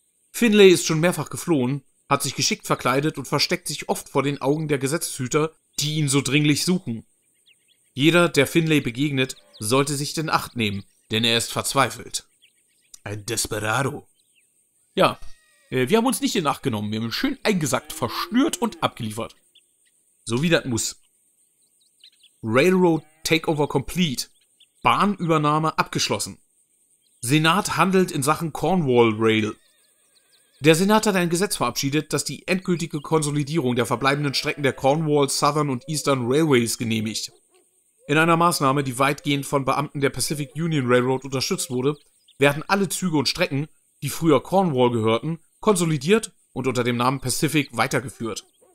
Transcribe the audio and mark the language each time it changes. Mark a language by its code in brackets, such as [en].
[de] Finlay ist schon mehrfach geflohen, hat sich geschickt verkleidet und versteckt sich oft vor den Augen der Gesetzeshüter, die ihn so dringlich suchen. Jeder, der Finlay begegnet, sollte sich in Acht nehmen, denn er ist verzweifelt. Ein Desperado. Ja, wir haben uns nicht in Acht genommen, wir haben ihn schön eingesackt, verschnürt und abgeliefert. So wie das muss. [en] Railroad Takeover Complete. [de] Bahnübernahme abgeschlossen. Senat handelt in Sachen Cornwall Rail. Der Senat hat ein Gesetz verabschiedet, das die endgültige Konsolidierung der verbleibenden Strecken der Cornwall, Southern und Eastern Railways genehmigt. In einer Maßnahme, die weitgehend von Beamten der Pacific Union Railroad unterstützt wurde, werden alle Züge und Strecken, die früher Cornwall gehörten, konsolidiert und unter dem Namen Pacific weitergeführt.